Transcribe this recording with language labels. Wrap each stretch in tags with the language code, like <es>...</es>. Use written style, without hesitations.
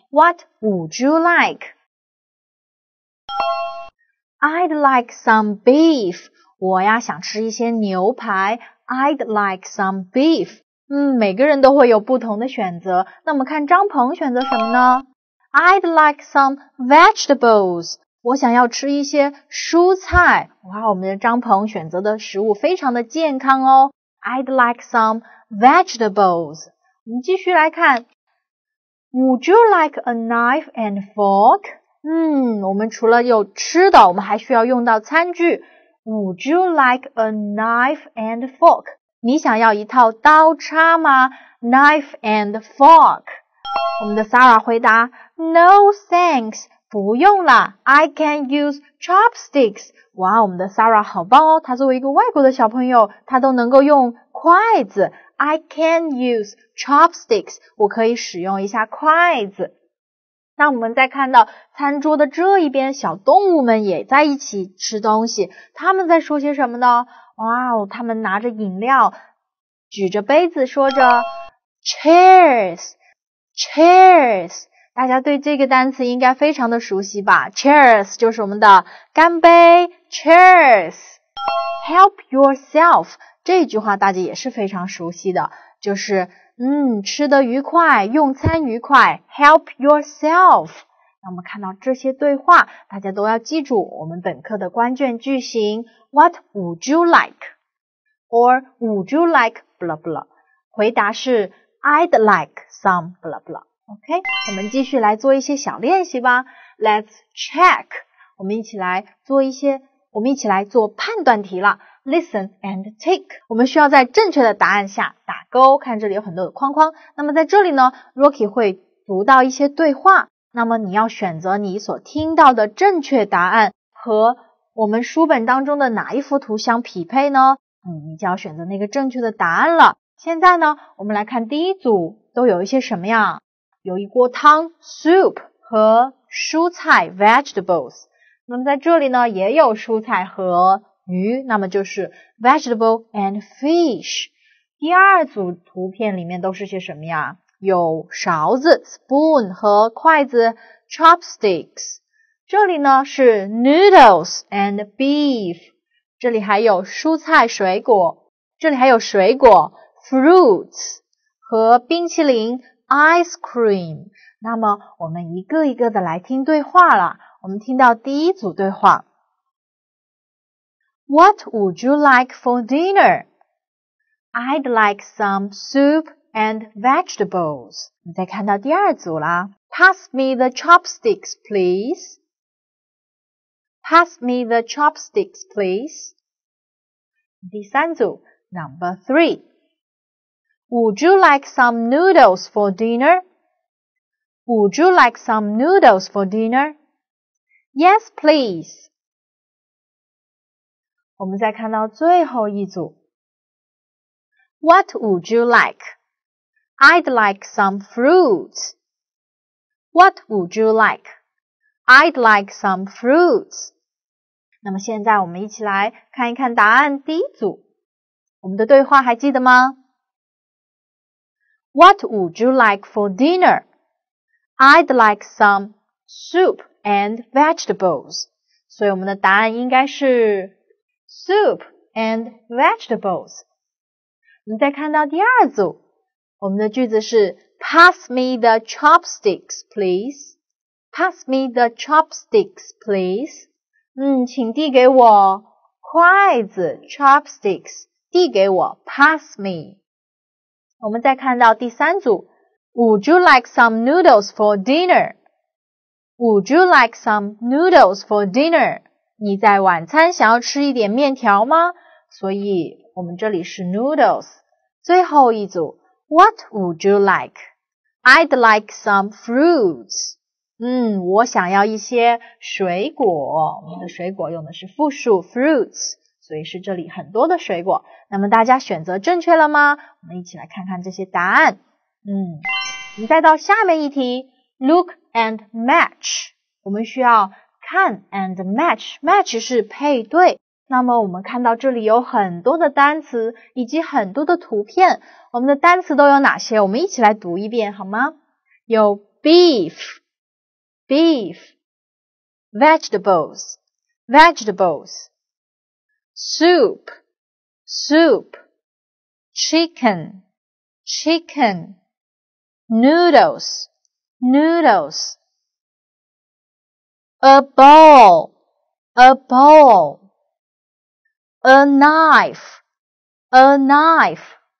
<en>What would you like? I'd like some beef.</en> <zh>我呀想吃一些牛排。</zh> <en>I'd like some beef.</en> <zh>每个人都会有不同的选择。那我们看张鹏选择什么呢？</zh> <en>I'd like some vegetables.</en> <zh>我想要吃一些蔬菜。哇，我们的张鹏选择的食物非常的健康哦。</zh> <en>I'd like some vegetables.</en> <zh>我们继续来看。</zh> <en>Would you like a knife and fork?</en> <zh>我们除了有吃的，我们还需要用到餐具。</zh> <en>Would you like a knife and fork?</en> <zh>你想要一套刀叉吗？</zh> <en>Knife and fork.</en> <zh>我们的 Sarah 回答，</zh> <en>No thanks.</en> <zh>不用了。</zh> <en>I can use chopsticks.</en> <zh>哇，我们的 Sarah 好棒哦，她作为一个外国的小朋友，她都能够用筷子。</zh> <en>I can use chopsticks,</en> <zh>我可以使用一下筷子。那我们再看到餐桌的这一边，小动物们也在一起吃东西，他们在说些什么呢？哇哦，他们拿着饮料，举着杯子说着 cheers, cheers。大家对这个单词应该非常的熟悉吧 ?Cheers 就是我们的干杯 ,Cheers!</zh> <en>Help yourself,</en> <zh>这句话大家也是非常熟悉的。就是吃得愉快，用餐愉快 ,</zh> <en>Help yourself!</en> <zh>那我们看到这些对话，大家都要记住我们本课的关键句型 ,</zh> <en>What would you like? Or would you like, blah blah.</en> <zh>回答是</zh> <en>I'd like some, blah blah.</en> <zh>OK, 我们继续来做一些小练习吧。</zh> <en>Let's check.</en> <zh>我们一起来做一些，我们一起来做判断题了。</zh> <en>Listen and tick.</en> <zh>我们需要在正确的答案下打勾，看这里有很多的框框。那么在这里呢， Rocky 会读到一些对话。那么你要选择你所听到的正确答案和我们书本当中的哪一幅图相匹配呢？你就要选择那个正确的答案了。现在呢，我们来看第一组都有一些什么呀？有一锅汤 soup 和蔬菜 vegetables。那么在这里呢也有蔬菜和鱼，那么就是</zh> <en>vegetable and fish。</en> <zh>第二组图片里面都是些什么呀？有勺子 spoon 和筷子 chopsticks。这里呢是</zh> <en>noodles and beef。</en> <zh>这里还有蔬菜水果，这里还有水果 fruits 和冰淇淋ice cream。那么我们一个一个的来听对话了。我们听到第一组对话。</zh> <en>What would you like for dinner? I'd like some soup and vegetables.</en> <zh>你再看到第二组啦。</zh> <en>Pass me the chopsticks, please. Pass me the chopsticks, please.</en> <zh>第三组</zh> <en>Number 3. Would you like some noodles for dinner? Would you like some noodles for dinner? Yes, please.</en> <zh>我们再看到最后一组。</zh> <en>What would you like? I'd like some fruits. What would you like? I'd like some fruits.</en> <zh>那么现在我们一起来看一看答案第一组。我们的对话还记得吗？</zh> <en>What would you like for dinner? I'd like some soup and vegetables.</en> <zh>所以我们的答案应该是</zh> <en>soup and vegetables.</en> <zh>我们再看到第二组，我们的句子是</zh> <en>Pass me the chopsticks, please. Pass me the chopsticks, please.</en> <zh>请递给我筷子 chopsticks, 递给我</zh> <en>pass me.</en> <zh>我们再看到第三组</zh> <en>Would you like some noodles for dinner? Would you like some noodles for dinner?</en> <zh>你在晚餐想要吃一点面条吗？所以我们这里是 noodles。 最后一组</zh> <en>What would you like? I'd like some fruits.</en> <zh>我想要一些水果。我们的水果用的是复数 fruits, 所以是这里很多的水果。那么大家选择正确了吗？我们一起来看看这些答案。你再到下面一题 ,</zh> <en>look and match。</en> <zh>我们需要看</zh> <en>and match,</en> <zh>match 是配对。那么我们看到这里有很多的单词以及很多的图片，我们的单词都有哪些？我们一起来读一遍好吗？</zh> <en>有 beef, beef, vegetables, vegetables, soup, soup, chicken, chicken, noodles, noodles, a bowl, a bowl,A knife, a knife.</en>